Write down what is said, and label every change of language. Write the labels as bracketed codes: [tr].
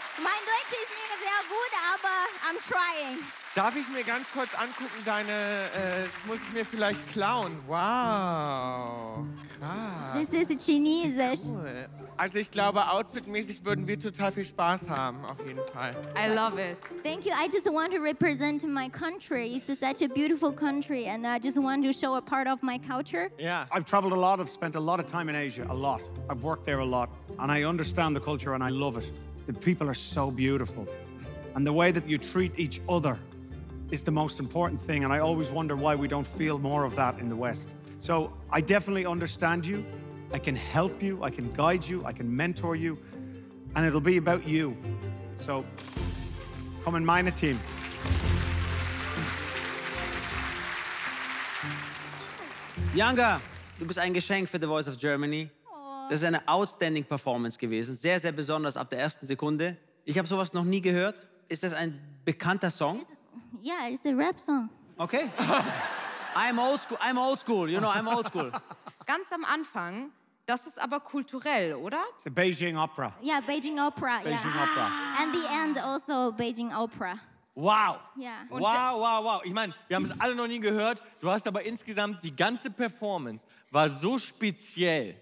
[de] Mein Deutsch ist nicht sehr gut, aber [en] I'm trying. [de] Darf ich mir ganz kurz angucken, deine, muss ich mir vielleicht klauen? Wow, krass. [en] This is Chinesisch. Cool. [de] Also ich glaube, outfitmäßig würden wir total viel Spaß haben, auf jeden Fall. [en] I love it. Thank you, I just want to represent my country. It's such a beautiful country and I just want to show a part of my culture. Yeah. I've traveled a lot, I've spent a lot of time in Asia, a lot. I've worked there a lot and I understand the culture and I love it. The people are so beautiful. And the way that you treat each other is the most important thing, and I always wonder why we don't feel more of that in the West. So I definitely understand you. I can help you, I can guide you, I can mentor you, and it'll be about you. So come and mine a team. [de] Yanga, du bist ein Geschenk für The Voice of Germany. Das ist eine outstanding Performance gewesen, sehr, sehr besonders ab der ersten Sekunde. Ich habe sowas noch nie gehört. Ist das ein bekannter Song? [en] Yeah, it's a rap song. Okay. I'm old school, you know, I'm old school. [de] Ganz am Anfang, das ist aber kulturell, oder? [en] It's a Beijing opera. Yeah, Beijing opera. Beijing yeah. opera. And the end also Beijing opera. Wow. Yeah. Wow. [de] Ich meine, wir haben es alle noch nie gehört. Du hast aber insgesamt, die ganze Performance war so speziell.